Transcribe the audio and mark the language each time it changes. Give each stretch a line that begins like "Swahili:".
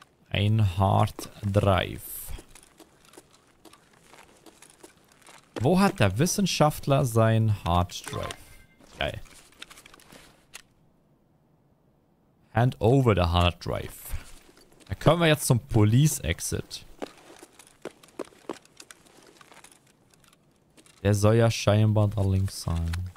German: Ein Hard Drive. Wo hat der Wissenschaftler sein Hard Drive? Geil.
English: Hand over the hard drive.
German: Da können wir jetzt zum Police Exit. Der soll ja scheinbar da links sein.